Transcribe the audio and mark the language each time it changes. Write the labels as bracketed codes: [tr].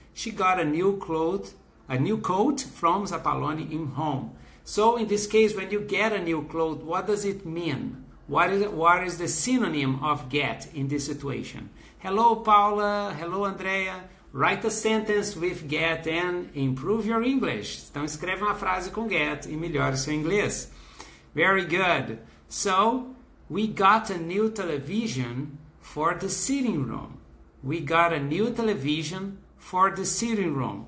[en] She got a new coat from Zappaloni in home. So in this case, when you get a new coat, what does it mean? What is the synonym of get in this situation? Hello, Paula. Hello, Andrea. Write a sentence with get and improve your English. [pt] Então escreve uma frase com get e melhore seu inglês. [en] Very good. So we got a new television for the sitting room. We got a new television for the sitting room.